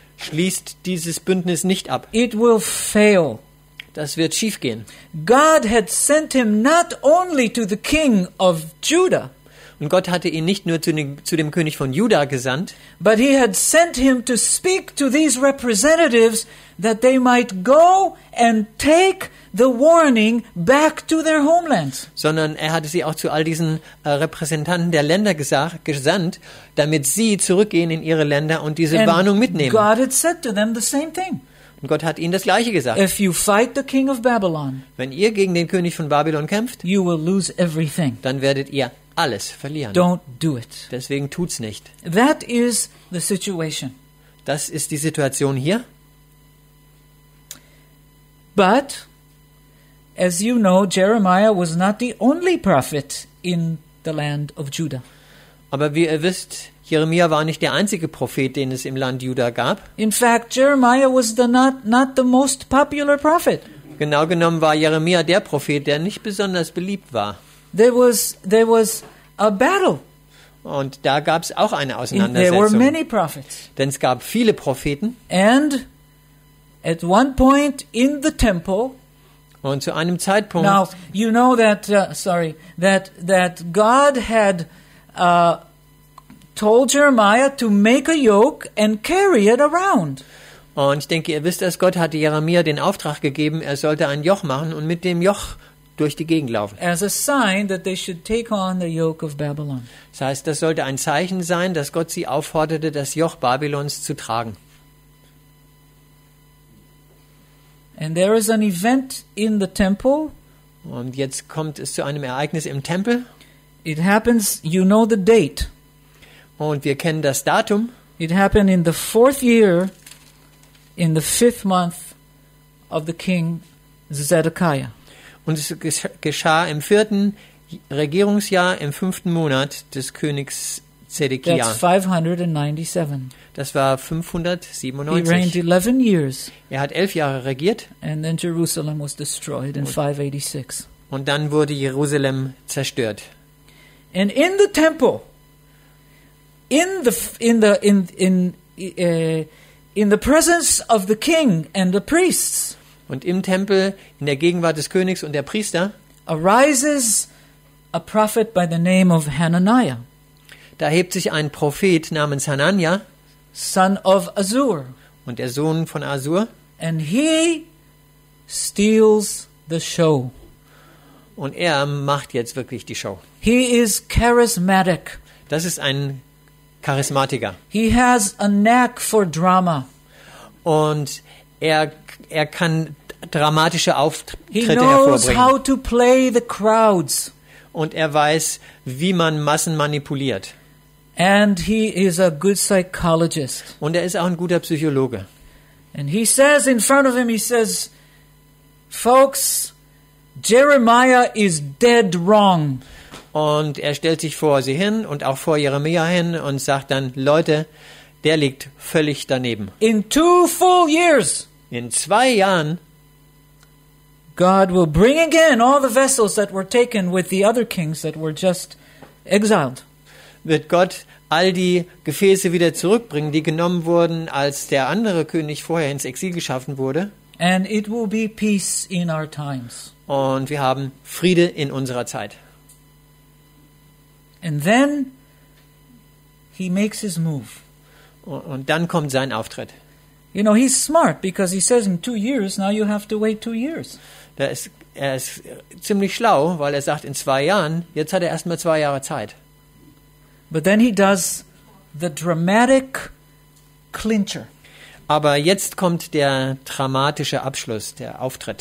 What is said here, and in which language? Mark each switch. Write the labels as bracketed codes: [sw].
[de] Schließt dieses Bündnis nicht ab. [en] It will fail. [de] Das wird schief gehen. [en] God had sent him not only to the king of Judah. [de] Und Gott hatte ihn nicht nur zu dem König von Juda gesandt, [en] but he had sent him to speak to these representatives that they might go and take the warning back to their homelands. [de] Sondern er hatte sie auch zu all diesen Repräsentanten der Länder gesandt, damit sie zurückgehen in ihre Länder und diese Warnung mitnehmen. [en] God had said to them the same thing. [de] Und Gott hat ihnen das Gleiche gesagt. [en] If you fight the king of Babylon, [de] wenn ihr gegen den König von Babylon kämpft, [en] you will lose everything. [de] Dann werdet ihr alles verlieren. [en] Don't do it. [de] Deswegen tut's nicht. [en] That is the situation. [de] Das ist die Situation hier. [en] But as you know, Jeremiah was not the only prophet in the land of Judah. [de] Aber wie ihr wisst, Jeremia war nicht der einzige Prophet, den es im Land Juda gab. [en] In fact, Jeremiah was not the most popular prophet. [de] Genau genommen war Jeremia der Prophet, der nicht besonders beliebt war. [en] There was a battle. [de] Und da gab's auch eine Auseinandersetzung. [en] There were many prophets. [de] Denn es gab viele Propheten. [en] And at one point in the temple. [de] Und zu einem Zeitpunkt. [en] Now you know that God had told Jeremiah to make a yoke and carry it around. [de] Und ich denke, ihr wisst, dass Gott hatte Jeremia den Auftrag gegeben, er sollte ein Joch machen und mit dem Joch durch die Gegend laufen. [en] As a sign that they should take on the yoke of Babylon. [de] Das heißt, das sollte ein Zeichen sein, dass Gott sie aufforderte, das Joch Babylons zu tragen. [en] And there is an event in the temple. [de] Und jetzt kommt es zu einem Ereignis im Tempel. [en] It happens, you know the date. [de] Und wir kennen das Datum. [en] It happened in the fourth year, in the fifth month of the king Zedekiah. [de] Und es geschah im vierten Regierungsjahr, im fünften Monat des Königs Zedekiah. [en] That's 597. [de] Das war 597. [en] He reigned 11 years. [de] Er hat 11 Jahre regiert. [en] And then Jerusalem was destroyed in 586. [de] Und dann wurde Jerusalem zerstört. [en] And in the temple, in the presence of the king and the priests. [de] Und im Tempel, in der Gegenwart des Königs und der Priester, [en] arises a prophet by the name of Hananiah. [de] Da hebt sich ein Prophet namens Hananiah, [en] son of Azur, [de] und der Sohn von Azur, [en] and he steals the show. [de] Und er macht jetzt wirklich die Show. [en] He is charismatic. [de] Das ist ein Charismatiker. [en] He has a knack for drama. [de] Und er kann dramatische Auftritte hervorbringen. [en] He knows how to play the crowds. [de] Und er weiß, wie man Massen manipuliert. [en] And he is a good psychologist. [de] Und er ist auch ein guter Psychologe. [en] And he says in front of him, he says, folks, Jeremiah is dead wrong. [de] Und er stellt sich vor sie hin und auch vor Jeremiah hin und sagt dann, Leute, der liegt völlig daneben. [en] In 2 full years. [de] In 2 Jahren. [en] God will bring again all the vessels that were taken with the other kings that were just exiled. [de] Wird Gott all die Gefäße wieder zurückbringen, die genommen wurden, als der andere König vorher ins Exil geschaffen wurde. [en] And it will be peace in our times. [de] Und wir haben Friede in unserer Zeit. [en] And then he makes his move. [de] Und dann kommt sein Auftritt. [en] You know, he's smart because he says in 2 years, now you have to wait 2 years. [de] Er ist ziemlich schlau, weil er sagt, in 2 Jahren, jetzt hat er erstmal 2 Jahre Zeit. [en] But then he does the dramatic clincher. [de] Aber jetzt kommt der dramatische Abschluss, der Auftritt.